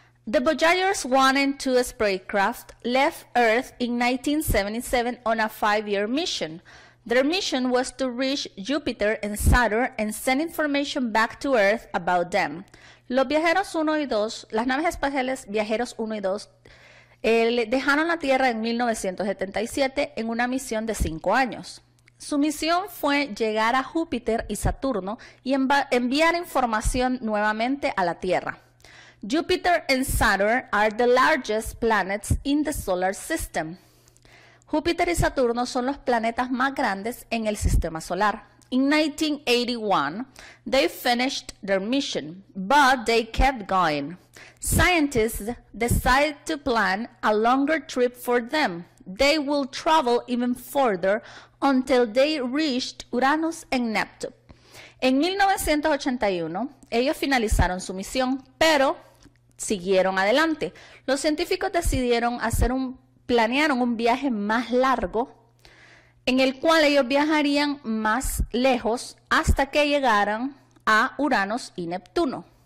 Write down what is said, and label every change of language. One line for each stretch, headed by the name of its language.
English: The Voyagers 1 and 2 spacecraft left Earth in 1977 on a five-year mission. Their mission was to reach Jupiter and Saturn and send information back to Earth about them.
Spanish: Los viajeros 1 y 2, las naves espaciales Viajeros 1 y 2, dejaron la Tierra en 1977 en una misión de 5 años. Su misión fue llegar a Júpiter y Saturno y enviar información nuevamente a la Tierra.
English: Jupiter and Saturn are the largest planets in the solar system.
Spanish: Júpiter y Saturno son los planetas más grandes en el sistema solar.
English: In 1981, they finished their mission, but they kept going. Scientists decided to plan a longer trip for them. They will travel even further until they reached Uranus and Neptune.
Spanish: En 1981, ellos finalizaron su misión, pero siguieron adelante. Los científicos decidieron planearon un viaje más largo en el cual ellos viajarían más lejos hasta que llegaran a Uranus y Neptuno.